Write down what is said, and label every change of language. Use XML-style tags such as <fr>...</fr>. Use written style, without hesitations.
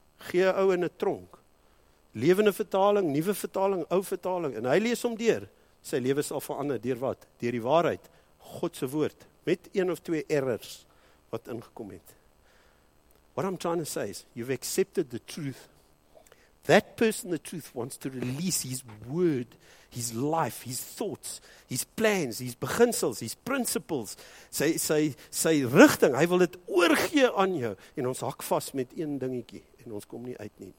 <af>Gee ou in 'n tronk. Lewende vertaling, nuwe vertaling, ou vertaling. En hy lees hom deur. Sy lewe sal verander. Deur wat? Deur die waarheid. God se woord. Met een of twee errors wat ingekom het.</af> <en>What I'm trying to say is, you've accepted the truth. That person, the truth, wants to release his word, his life, his thoughts, his plans, his beginsels, his principles.</en> <af>Sy rigting, hy wil dit oorgee aan jou. En ons hak vas met een dingetjie en ons kom nie uit nie.</af>